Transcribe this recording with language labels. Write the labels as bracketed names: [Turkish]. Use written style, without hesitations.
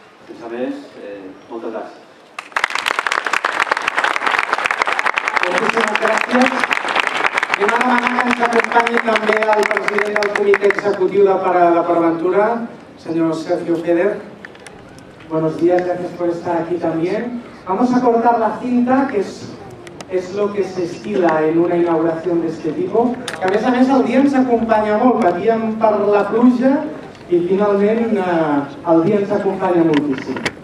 [Catalan] Sense més, moltes gràcies. Moltíssimes gràcies. I una demanda que ens acompanyi també el president del Comitè Executiu de PortAventura, senyor Sergio Feder. [Spanish] Buenos días, gracias por estar aquí también. Vamos a cortar la cinta, que es lo que se estila en una inauguración de este tipo. [Catalan] Que a més el dia ens acompanya molt, patíem per la pluja i finalment el dia ens acompanya moltíssim.